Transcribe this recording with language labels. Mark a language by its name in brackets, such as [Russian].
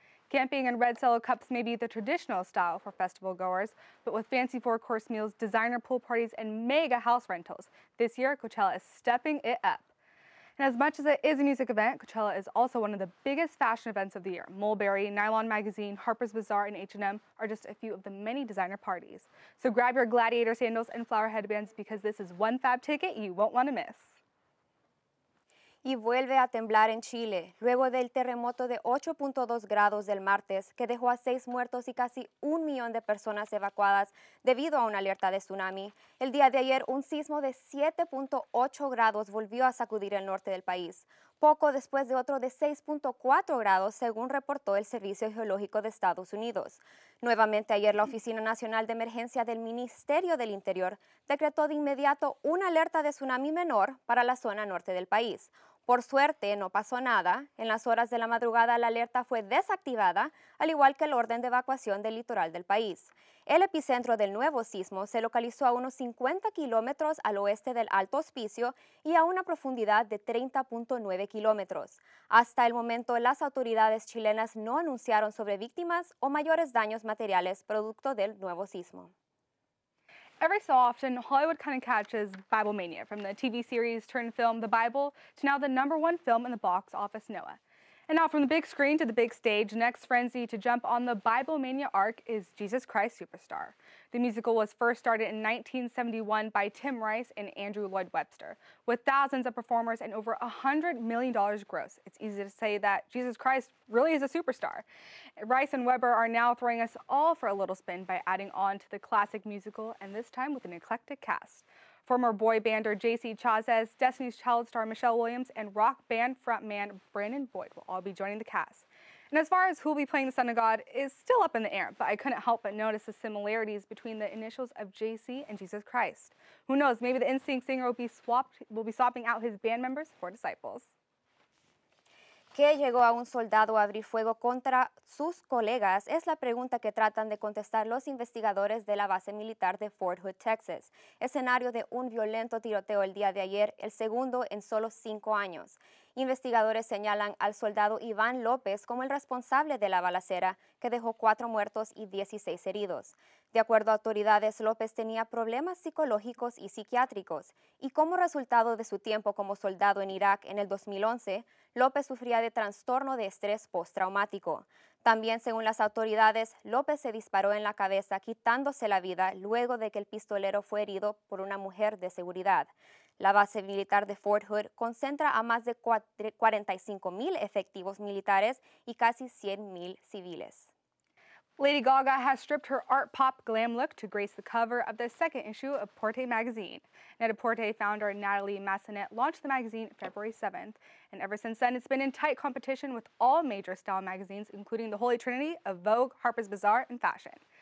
[English] Camping and red solo cups may be the traditional style for festival goers, but with fancy four-course meals, designer pool parties, and mega house rentals, this year Coachella is stepping it up. And as much as it is a music event, Coachella is also one of the biggest fashion events of the year. Mulberry, Nylon Magazine, Harper's Bazaar, and H&M are just a few of the many designer parties. So grab your gladiator sandals and flower headbands because this is one fab ticket you won't want to miss. [Spanish] Y vuelve a temblar en Chile, luego del terremoto de 8.2 grados del martes, que dejó a 6 muertos y casi 1 millón de personas evacuadas debido a una alerta de tsunami. El día de ayer, un sismo de 7.8 grados volvió a sacudir el norte del país, poco después de otro de 6.4 grados, según reportó el Servicio Geológico de Estados Unidos. Nuevamente ayer, la Oficina Nacional de Emergencia del Ministerio del Interior decretó de inmediato una alerta de tsunami menor para la zona norte del país. Por suerte, no pasó nada. En las horas de la madrugada, la alerta fue desactivada, al igual que el orden de evacuación del litoral del país. El epicentro del nuevo sismo se localizó a unos 50 kilómetros al oeste del Alto Hospicio y a una profundidad de 30.9 kilómetros. Hasta el momento, las autoridades chilenas no anunciaron sobre víctimas o mayores daños materiales producto del nuevo sismo. [English] Every so often, Hollywood kind of catches Bible mania, from the TV series turned film The Bible to now the number one film in the box office, Noah. And now from the big screen to the big stage, next frenzy to jump on the Bible mania arc is Jesus Christ Superstar. The musical was first started in 1971 by Tim Rice and Andrew Lloyd Webber. With thousands of performers and over $100 million gross, it's easy to say that Jesus Christ really is a superstar. Rice and Webber are now throwing us all for a little spin by adding on to the classic musical, and this time with an eclectic cast. Former boy bander J.C. Chazes, Destiny's Child star Michelle Williams, and rock band frontman Brandon Boyd will all be joining the cast. And as far as who will be playing the Son of God is still up in the air, but I couldn't help but notice the similarities between the initials of J.C. and Jesus Christ. Who knows, maybe the NSYNC singer will be swapping out his band members for disciples. [Spanish] ¿Qué llegó a un soldado a abrir fuego contra sus colegas? Es la pregunta que tratan de contestar los investigadores de la base militar de Fort Hood, Texas. Escenario de un violento tiroteo el día de ayer, el segundo en solo 5 años. Investigadores señalan al soldado Iván López como el responsable de la balacera, que dejó 4 muertos y 16 heridos. De acuerdo a autoridades, López tenía problemas psicológicos y psiquiátricos, y como resultado de su tiempo como soldado en Irak en el 2011, López sufría de trastorno de estrés postraumático. También, según las autoridades, López se disparó en la cabeza, quitándose la vida luego de que el pistolero fue herido por una mujer de seguridad. La base militar de Fort Hood concentra a más de 45,000 efectivos militares y casi 100,000 civiles. [English] Lady Gaga has stripped her art pop glam look to grace the cover of the second issue of Porte magazine. Net-a-Porte founder Natalie Massenet launched the magazine February 7th, and ever since then it's been in tight competition with all major style magazines, including the Holy Trinity of Vogue, Harper's Bazaar, and Fashion.